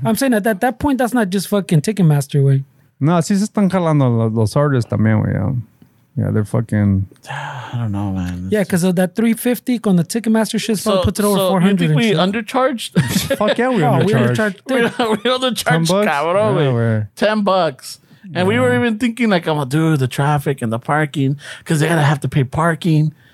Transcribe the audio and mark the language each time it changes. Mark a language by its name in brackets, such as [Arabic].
[English] I'm saying at that point, that's not just fucking Ticketmaster, way. [Spanish] No, sí se están jalando los artists también, güey. [English] Yeah, they're fucking... I don't know, man. It's yeah, because of that 350 on the Ticketmaster shit, so puts it over 400. You think we undercharged? Fuck yeah, we undercharged. We undercharged, cabrón, yeah, we. 10 bucks. And yeah. We were even thinking, like, I'm going to do the traffic and the parking, because they're going to have to pay parking.